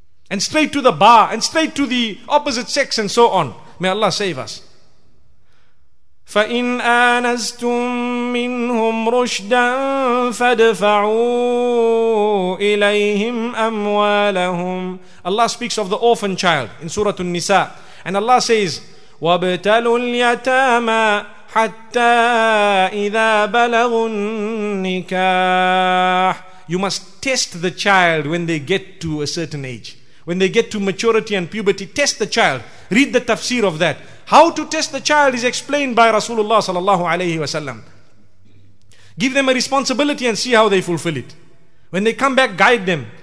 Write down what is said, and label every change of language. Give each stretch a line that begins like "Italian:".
English: And straight to the bar and straight to the opposite sex and so on. May Allah save us.
Arabic: فَإِنْ آنَسْتُمْ مِنْهُمْ رُشْدًا فَادْفَعُوا إِلَيْهِمْ أَمْوَالَهُمْ.
English: Allah speaks of the orphan child in Surah An-Nisa. And Allah says,
Arabic: وَابْتَلُوا الْيَتَامَى حَتَّى إِذَا بَلَغُوا النِّكَاحَ.
English: You must test the child when they get to a certain age. When they get to maturity and puberty, test the child. Read the tafsir of that. How to test the child is explained by Rasulullah
Arabic: sallallahu alayhi wa sallam.
English: Give them a responsibility and see how they fulfill it. When they come back, guide them.